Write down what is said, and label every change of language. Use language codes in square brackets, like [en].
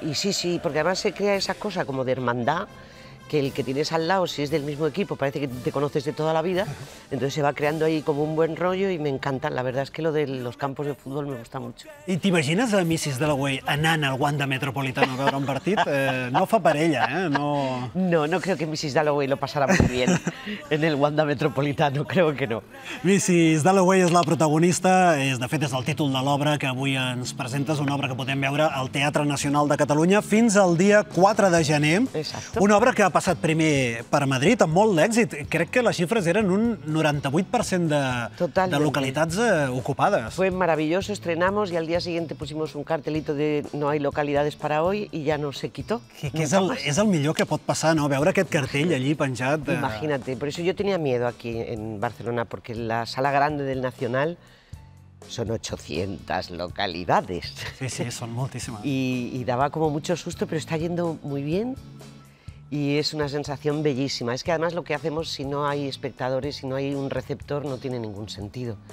[es] Y sí, porque además se crea esa cosa como de hermandad, que el que tienes al lado, si es del mismo equipo, parece que te conoces de toda la vida, entonces se va creando ahí como un buen rollo y me encanta. La verdad es que lo de los campos de fútbol me gusta mucho. [ca] ¿Y te imaginas a Mrs. Dalloway anant al Wanda Metropolitano a veure un partit? No fa per ella, eh? [es] No creo que Mrs. Dalloway lo pasara muy bien en el Wanda Metropolitano, creo que no. [ca] Mrs. Dalloway és la protagonista, de fet és el títol de l'obra que avui ens presentes, una obra que podem veure al Teatre Nacional de Catalunya fins al dia 4 de gener. [es] Exacto. [ca] Una obra que ha passat primer per Madrid amb molt d'èxit. Crec que les xifres eren un 98% de localitats ocupades. [es] Fue maravilloso, estrenamos y al día siguiente pusimos un cartelito de no hay localidades para hoy y ya no se quitó. [ca] És el millor que pot passar, no?, veure aquest cartell allí penjat. [es] Imagínate, por eso yo tenía miedo aquí en Barcelona, porque la sala grande del Nacional son 800 localidades. [ca] Sí, son moltíssimes. [es] Y daba como mucho susto, pero está yendo muy bien. Y es una sensación bellísima. Es que además lo que hacemos, si no hay espectadores, si no hay un receptor, no tiene ningún sentido.